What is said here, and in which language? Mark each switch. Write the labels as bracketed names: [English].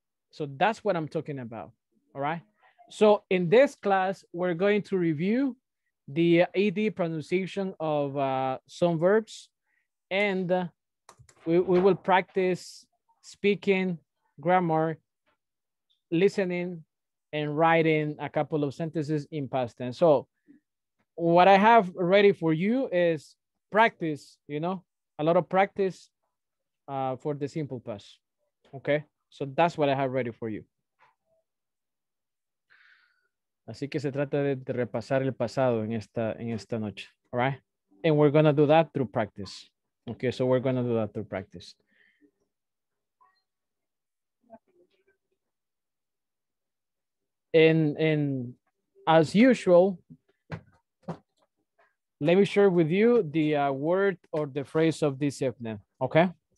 [English] So that's what I'm talking about, all right? So in this class, we're going to review the ED pronunciation of some verbs, and we will practice speaking, grammar, listening, and writing a couple of sentences in past tense. So what I have ready for you is practice, you know, a lot of practice for the simple past. Okay, so that's what I have ready for you. [Spanish] Así que se trata de repasar el pasado en esta noche. [English] All right, and we're gonna do that through practice. Okay, so we're gonna do that through practice. And as usual, let me share with you the word or the phrase of this evening, okay?